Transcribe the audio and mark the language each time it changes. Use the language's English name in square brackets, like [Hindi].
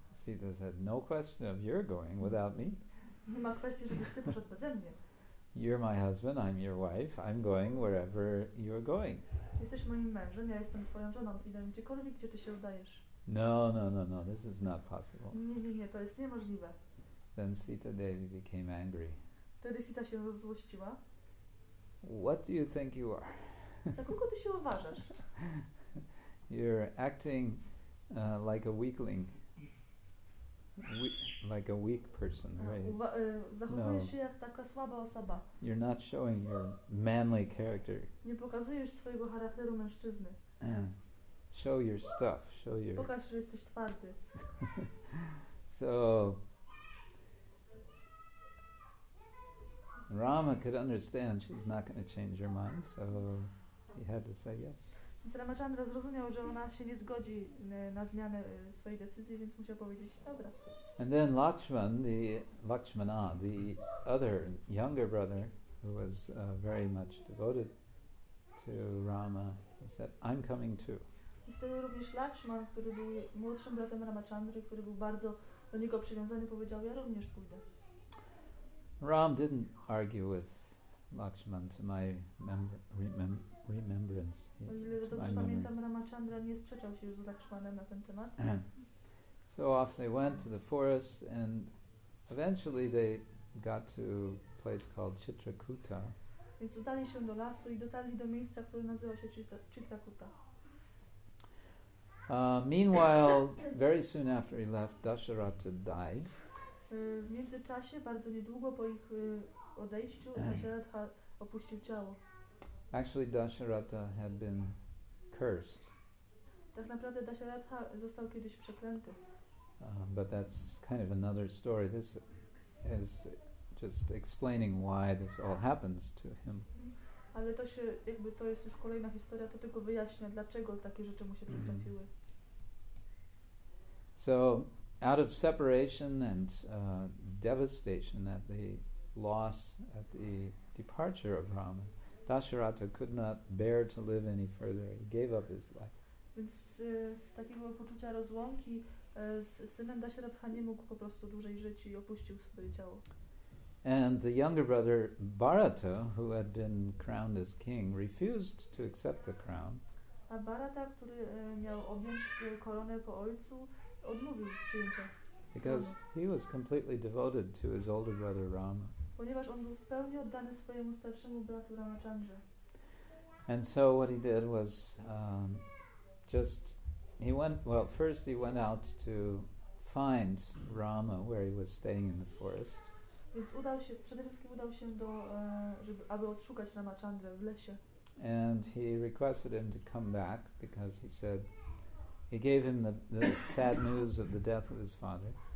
[English] Sita said, "No question of your going without me." [Polish] Nie ma kwestii, żebyś ty poszedł beze mnie. [English] "You're my husband, I'm your wife, I'm going wherever you're going." [Polish] Jesteś moim mężem, ja jestem twoją żoną, idę gdziekolwiek, gdzie ty się udajesz. [English] No, this is not possible. [Polish] Nie, to jest niemożliwe. [English] Then Sita Devi became angry. [Polish] Wtedy Sita się rozzłościła. [English] "What do you think you are?" [Polish] Za kogo ty się uważasz? [English] "You're acting like a weakling. Like a weak person, right?" No. [Polish] Zachowujesz się jak taka słaba osoba. [English] "You're not showing your manly character." [Polish] Nie pokazujesz swojego charakteru mężczyzny. [English] "Show your stuff. Show your..." [Polish] Pokaż, że jesteś twardy. [English] So Rama could understand she's not going to change her mind, so he had to say yes. [Polish] Więc Ramachandra zrozumiał, że ona się nie zgodzi na zmianę swojej decyzji, więc musiał powiedzieć: dobra. [English] And then Lakshman, the other younger brother, who was very much devoted to Rama, he said, "I'm coming too." [Polish] I wtedy również Lakshman, który był młodszym bratem Ramachandry, który był bardzo do niego przywiązany, powiedział: ja również pójdę. [English] Ram didn't argue with Lakshman, to my remembrance. [Polish] Pamiętam, Ramachandra nie sprzeczał się już z Lakshmanem na ten temat. [English] So off they went to the forest, and eventually they got to a place called Chitrakuta. [Polish] Więc udali się do lasu i dotarli do miejsca, które nazywa się Chitrakuta. [English] Meanwhile, very soon after he left, Dasharatha died. [Polish] W międzyczasie, bardzo niedługo po ich odejściu, Dasharatha opuścił ciało. [English] Actually, Dasharatha had been cursed. [Polish] Tak naprawdę Dasharatha został kiedyś przeklęty. [English] But that's kind of another story. This is just explaining why this all happens to him. [Polish] Ale to się, jakby to jest już kolejna historia, to tylko wyjaśnia, dlaczego takie rzeczy mu się przytrafiły. [English] So, out of separation and devastation at the loss, at the departure of Rama, Dasharatha could not bear to live any further. He gave up his life. [Polish] Więc z takiego poczucia rozłąki z synem Dasharatha nie mógł po prostu dłużej żyć i opuścił swoje ciało. [English] And the younger brother Bharata, who had been crowned as king, refused to accept the crown. [Polish] A Bharata, który miał objąć koronę po ojcu, odmówił przyjęcia. [English] Because he was completely devoted to his older brother Rama. [Polish] Ponieważ on był w pełni oddany swojemu starszemu bratu Ramachandrze. [English] And so what he did was he went out to find Rama where he was staying in the forest. [Polish] Więc udał się, przede wszystkim udał się do, żeby, aby odszukać Ramachandrę w lesie. [English] And he requested him to come back because he said he gave him the sad news of the death of his father.